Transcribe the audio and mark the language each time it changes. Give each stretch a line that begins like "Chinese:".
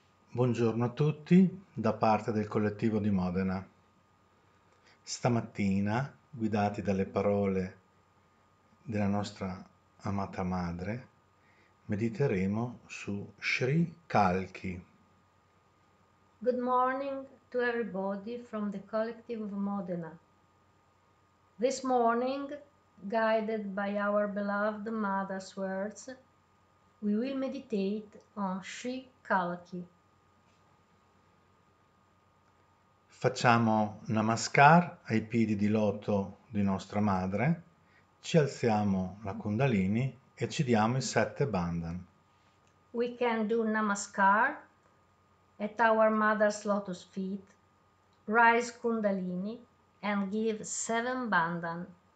Italian: Buongiorno a tutti da parte del collettivo di Modena. Stamattina, guidati dalle parole della nostra amata madre, mediteremo su Sri Kalki.
English: Good morning to everybody from the collective of Modena. This morning, guided by our beloved mother's words, we will meditate on Sri Kalki.
Italian: Facciamo Namaskar ai piedi di loto di nostra madre, ci alziamo la Kundalini e ci diamo i sette bandhan.
English: We can do Namaskar at our mother's lotus feet, rise Kundalini and give seven bandhan.